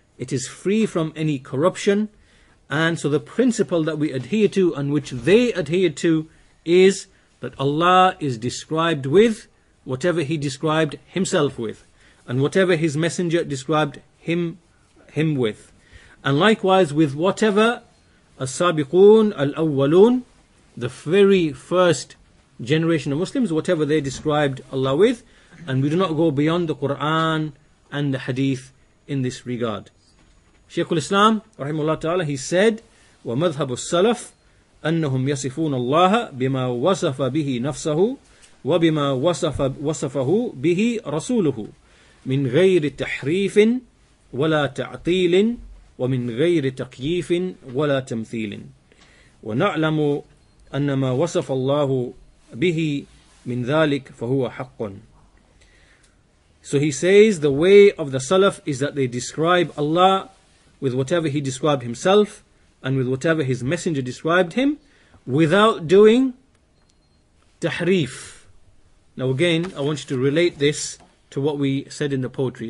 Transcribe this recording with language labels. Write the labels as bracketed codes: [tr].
[en] It is free from any corruption. And so the principle that we adhere to and which they adhere to is that Allah is described with whatever He described Himself with, and whatever His Messenger described Him with. And likewise with whatever As-Sabiqoon Al-Awwaloon, the very first generation of Muslims, whatever they described Allah with. And we do not go beyond the Qur'an and the Hadith in this regard. [ar] Shaykh al-Islam, rahimahullah ta'ala, [en] he said, [ar] وَمَذْهَبُ السَّلَفِ أَنَّهُمْ يَصِفُونَ اللَّهَ بِمَا وَصَفَ بِهِ نَفْسَهُ وَبِمَا وَصَفَهُ بِهِ رَسُولُهُ مِنْ غَيْرِ تَحْرِيفٍ وَلَا تَعْطِيلٍ وَمِنْ غَيْرِ تَقْيِيفٍ وَلَا تَمْثِيلٍ وَنَعْلَمُ أَنَّ مَا وَصَفَ اللَّهُ بِهِ مِنْ ذَلِكَ فَهُوَ حَقٌّ. [en] So he says the way of the Salaf is that they describe Allah with whatever He described Himself and with whatever His Messenger described Him without doing tahrif. Now again, I want you to relate this to what we said in the poetry.